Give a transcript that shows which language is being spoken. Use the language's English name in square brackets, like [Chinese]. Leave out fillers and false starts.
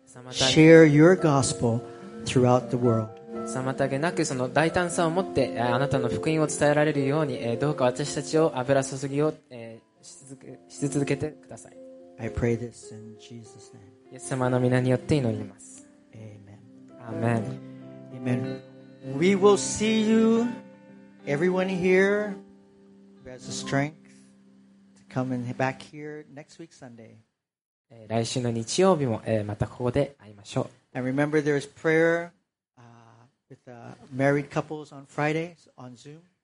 [English] Share your gospel throughout the world. [Japanese] 妨げなくその大胆さを持ってあなたの福音を伝えられるようにどうか私たちを油注ぎをし続けてください。 [English] I pray this in Jesus' name. [Japanese] イエス様の御名によって祈ります。 [English] Amen. Amen. Amen. We will see you, everyone here, who has the strength to come and back here next week Sunday. [Japanese] 来週の日曜日も、またここで会いましょう。 [English] And remember there is prayer, with married couples on Fridays on Zoom.